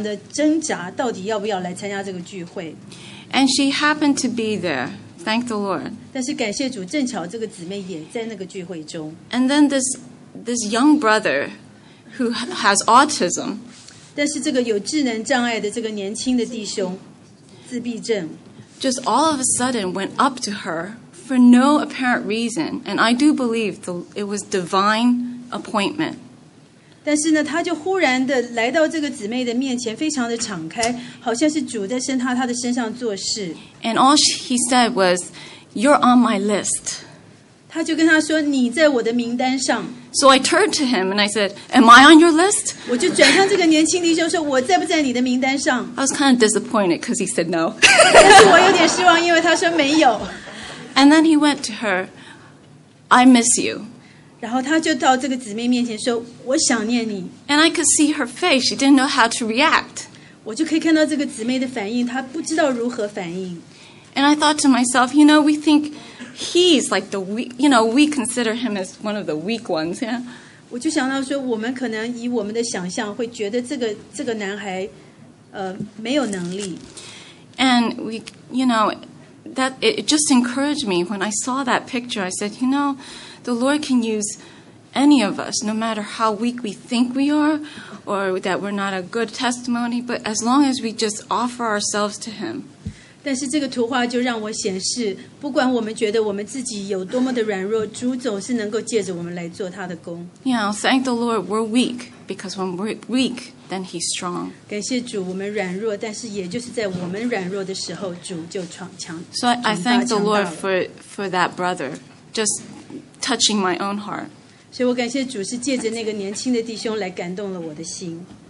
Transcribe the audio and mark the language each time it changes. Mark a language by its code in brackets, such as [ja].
[zh] 她在主的面前是真的是和她的信仰在征战，她非常的挣扎，到底要不要来参加这个聚会。 [en] And she happened to be there. Thank the Lord. [zh] 但是感谢主, 正巧这个姊妹也在那个聚会中。 [en] And then this young brother who has autism. [zh] 但是这个有智能障碍的这个年轻的弟兄, 自闭症, [en] just all of a sudden went up to her for no apparent reason. And I do believe it was divine appointment. [zh] 但是呢, 他就忽然的来到这个姊妹的面前, 非常的敞开, 好像是主在他的身上做事。 [en] And all he said was, you're on my list. [zh] 他就跟他说, 你在我的名单上。 [en] So I turned to him and I said, am I on your list? [zh] 我就转向这个年轻弟兄说, 我在不在你的名单上? [en] I was kind of disappointed because he said no. [zh] 但是我有点失望, 因为他说没有。 [en] And then he went to her, I miss you. [zh] 然后他就到这个姊妹面前说，我想念你。 [en] And I could see her face, she didn't know how to react. [zh] 我就可以看到这个姊妹的反应，她不知道如何反应。 [en] And I thought to myself, you know, we think he's like the weak, you know, we consider him as one of the weak ones, yeah? [zh] 我就想到说，我们可能以我们的想象会觉得这个男孩, 没有能力。 [en] And we, you know, that it just encouraged me when I saw that picture. I said, you know, the Lord can use any of us, no matter how weak we think we are, or that we're not a good testimony, but as long as we just offer ourselves to Him. [zh] 但是这个图画就让我显示，不管我们觉得我们自己有多么的软弱，主总是能够借着我们来做他的工。 [en] Yeah, thank the Lord, we're weak, because when we're weak, then he's strong. [zh] 感谢主, 我们软弱, 但是也就是在我们软弱的时候, 主就强, [en] so I thank the Lord for that brother, just touching my own heart. [zh] 所以我感谢主是借着那个年轻的弟兄来感动了我的心。